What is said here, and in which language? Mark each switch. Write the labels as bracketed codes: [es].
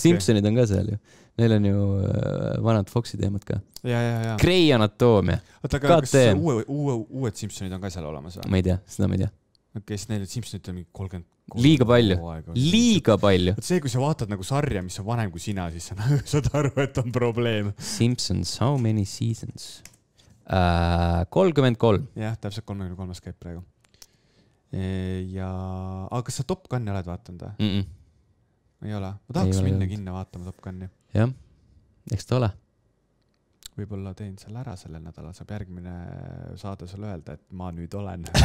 [et] Simpsonid on ka seal ju. Neil on ju vanad Foxi teemad ka. Ja. Grey Anatomia. Aga kas uued Simpsonid on ka seal olemas? Ma ei tea, seda ma ei tea. Okei, siis neil Simpsonid on mingi 30. Liiga palju. Liiga palju. See, kui sa vaatad nagu sarja, mis on vanem kui sina, siis saad aru, et on probleem. [en] Simpsons, how many seasons? 33. [et] Jah, täpselt 33 käib praegu. Aga kas sa Top Gunni oled vaatanud? Mm-mm. Ei ole. Ma tahaks ole minna kinna vaatama Top Gunni. Jah, eks ta ole. Võibolla teen selle ära sellel nädala. Saab järgmine saada sulle öelda, et ma nüüd olen.